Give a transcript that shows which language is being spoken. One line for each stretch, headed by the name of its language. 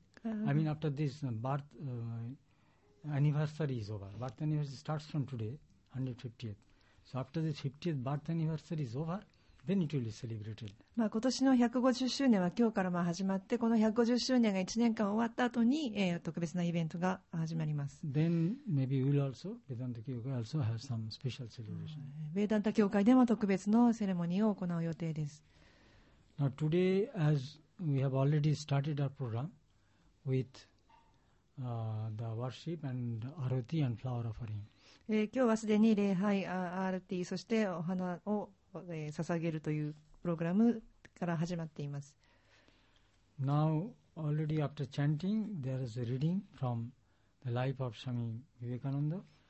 English: I mean after this birth anniversary is over. Birth anniversary starts from today, 150th. So after the 50th birth anniversary is over, then it will be celebrated.
Japanese: まあ今年の150周年は今日からまあ始まって、この150周年が1年間終わった後に、特別なイベントが始まります。
English: Then maybe we'll also, Vedanta 教会 also have some special celebration.
Japanese: Vedanta 教会でも特別のセレモニーを行う予定です。
English: Now today, as we have already started our program with the worship and arati and flower offering.
Japanese: 今日はすでに礼拝、アルティ、そしてお花を、捧げるというプログラムから始まっています。
English: Now, already after chanting, there is a reading from the life of Swami Vivekananda.